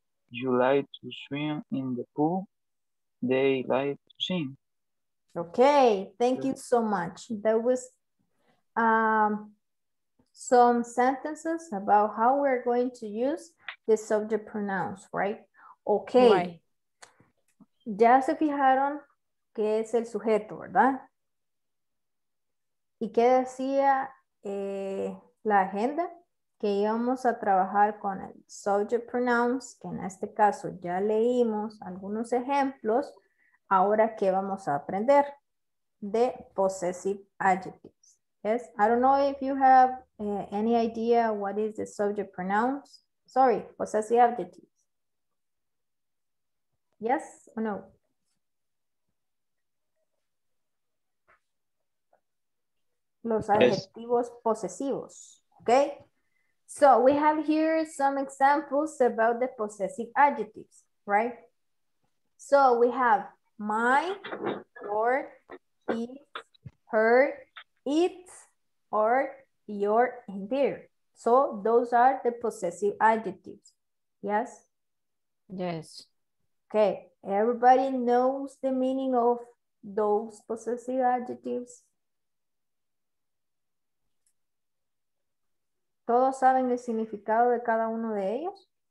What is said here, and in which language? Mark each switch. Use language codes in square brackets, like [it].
[en] You like to swim in the pool. They like to sing. Okay, thank you so much. That was some sentences about how we're going to use the subject pronouns, right? Okay. [es] Ya se fijaron qué es el sujeto, ¿verdad? ¿Y qué decía la agenda? Que íbamos a trabajar con el subject pronouns, que en este caso ya leímos algunos ejemplos. Ahora, ¿qué vamos a aprender? De possessive adjectives. [en] Yes, I don't know if you have any idea what is the subject pronouns. Sorry, possessive adjectives. Yes or no? [es] Los adjetivos posesivos. Okay. [en] So we have here some examples about the possessive adjectives, right? So we have my, your, his, her, its, or your and their. So those are the possessive adjectives. Yes? Yes. Okay. Everybody knows the meaning of those possessive adjectives? [es] ¿Todos saben el significado de cada uno de ellos?